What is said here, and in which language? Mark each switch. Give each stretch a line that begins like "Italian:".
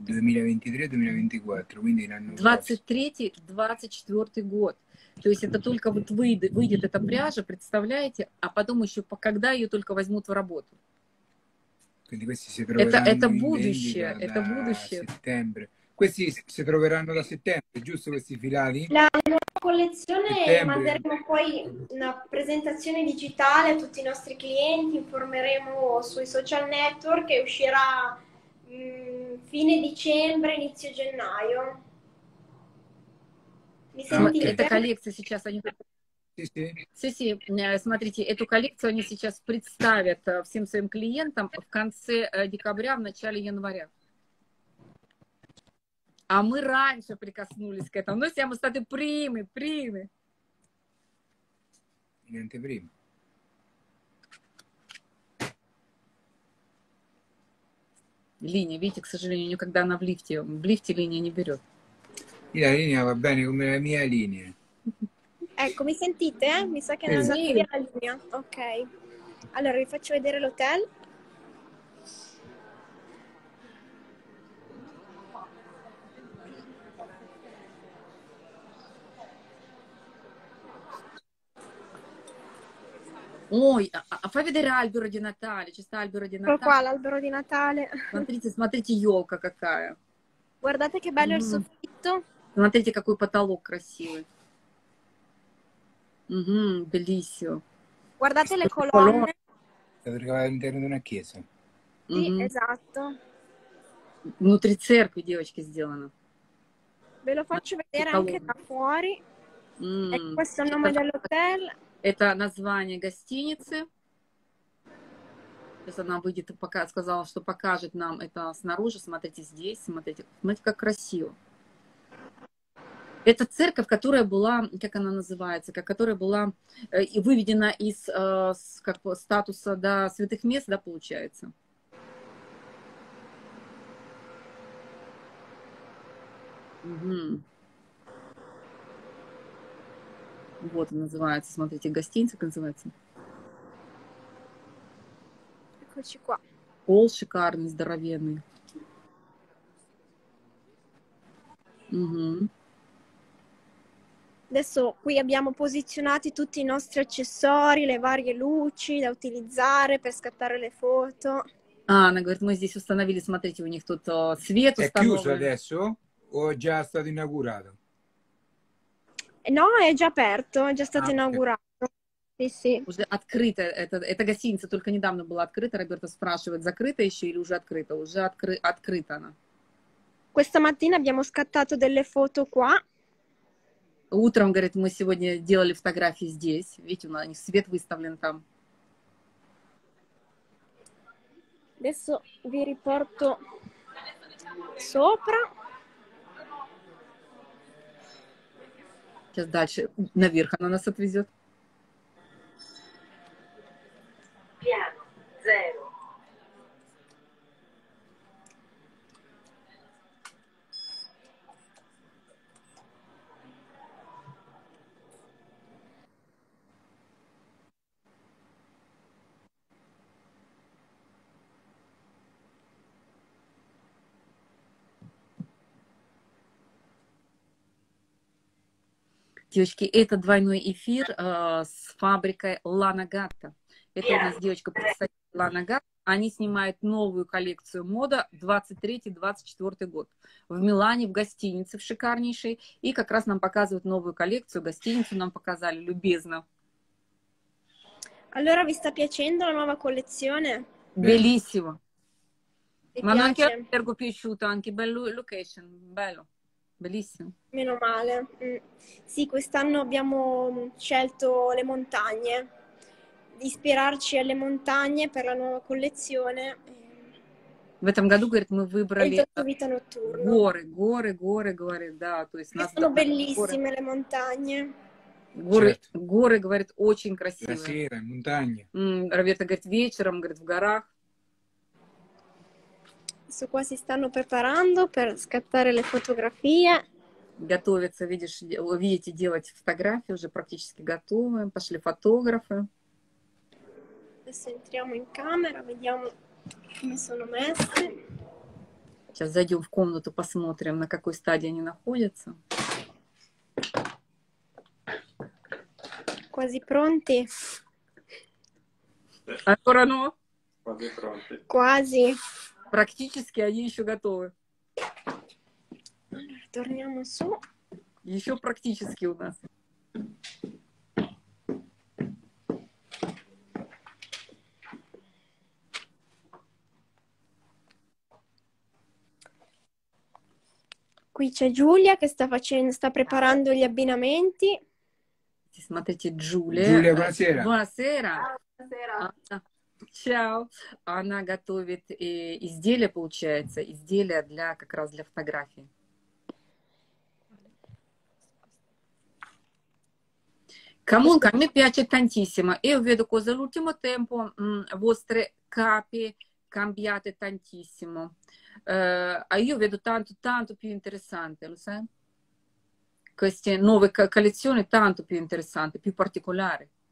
Russian: 23-24 год. То есть это только вот выйдет эта пряжа, представляете? А потом еще, когда ее только возьмут в работу? Это будущее, это будущее.
Italian: Settembre. Questi si troveranno da settembre, giusto questi filali? La nuova collezione settembre. Manderemo poi una presentazione digitale a tutti i nostri clienti, informeremo sui social network e uscirà fine dicembre, inizio gennaio. Mi senti? Questa collezione
Russian: сейчас они...
Italian: Sì, sì,
Russian: смотрите, эту коллекцию они сейчас представят всем своим клиентам в конце декабря, в начале января. А мы раньше прикоснулись к этому. Но
Italian: siamo stati primi, primi. Niente prima.
Russian: Линия, видите, к сожалению, никогда она в лифте линия не берет. И
Italian: la linea va bene come la mia linea. Ecco, mi sentite? Mi sa che non si vede la linea. Ok. Allora, vi faccio vedere l'hotel.
Russian: Ой,
Italian: а фай видеть альберо ди Натале, чисто альберо ди Натале.
Russian: Какой
Italian: альберо ди Натале?
Russian: Смотрите, смотрите, елка какая.
Italian: Guardate che bello il soffitto.
Russian: Смотрите, какой потолок красивый.
Italian: Bellissimo. Guardate le colonne. Sembra all'interno di una chiesa. Sì, esatto.
Russian: Внутри церкви, девочки, сделано.
Italian: Ve lo faccio vedere anche da fuori. Questo è il nome dell'hotel.
Russian: Это название гостиницы. Сейчас она выйдет и пока сказала, что покажет нам это снаружи. Смотрите здесь, смотрите. Смотрите, как красиво. Это церковь, которая была, как она называется, которая была выведена из как, статуса да, святых мест, да, получается. Вот называется, смотрите, гостиница называется. Пол шикарный, здоровенный.
Italian: Adesso qui abbiamo posizionati tutti i nostri accessori, le varie luci da utilizzare per scattare le foto.
Russian: Anna, говорит, мы здесь установили, смотрите, у них тут свет установлен.
Italian: È chiuso adesso o è già stato inaugurato? No, è già aperto, è già stato inaugurato. Sì, sì.
Russian: Уже открыта, эта гостиница только недавно была открыта. Роберто спрашивает, закрыта еще или уже открыта? Уже открыта она.
Italian: Questa mattina abbiamo scattato delle foto qua.
Russian: Утром, говорит, мы сегодня делали фотографии здесь. Видите, у нас свет выставлен там.
Italian: Adesso vi riporto sopra.
Russian: Сейчас дальше наверх она нас отвезет.
Italian: Piano zero.
Russian: Девочки, это двойной эфир с фабрикой Лана Гатта. Это у нас девочка представитель Лана Гатта. Они снимают новую коллекцию мода 23-24 год. В Милане, в гостинице, в шикарнейшей. И как раз нам показывают новую коллекцию. Гостиницу нам показали любезно.
Italian: Allora, vi sta piacendo la nuova collezione? Bellissimo. Ma anche a me è piaciuto, anche bello location, bello, bellissimo. Meno male. Sì, quest'anno abbiamo scelto le montagne, ispirarci alle montagne per la nuova collezione.
Russian: В этом году, говорит, мы выбрали горы, горы, горы, говорит, да, то есть нас это
Italian: bellissime le montagne.
Russian: Горы, горы, говорит, очень красивые. Красивые
Italian: montagne.
Russian: Роберта говорит, вечером, говорит, в горах.
Italian: Su qua si stanno preparando per scattare le fotografie.
Russian: Готовятся, видишь, видите, делать фотографии уже практически готовы, пошли фотографы.
Italian: Adesso entriamo in camera, vediamo.
Russian: Сейчас зайдем в комнату, посмотрим, на какой стадии они находятся.
Italian: Quasi pronti. Ancora no? Quasi pronti. Quasi.
Russian: Практически они еще готовы.
Italian: Torniamo su.
Russian: Еще практически у нас.
Italian: Qui c'è Giulia che sta facendo, sta preparando gli abbinamenti.
Russian: Смотрите,
Italian: Giulia, buonasera. Buonasera. Buonasera. Ciao.
Russian: Она готовит изделия, получается, изделия для как раз для фотографии.
Italian: Comunque, mi piace tantissimo. Io vedo cosa l'ultimo tempo vostre capi cambiate tantissimo. Io vedo tanto, tanto più interessante, lo sai? Queste nuove collezioni tanto più interessanti, più particolari.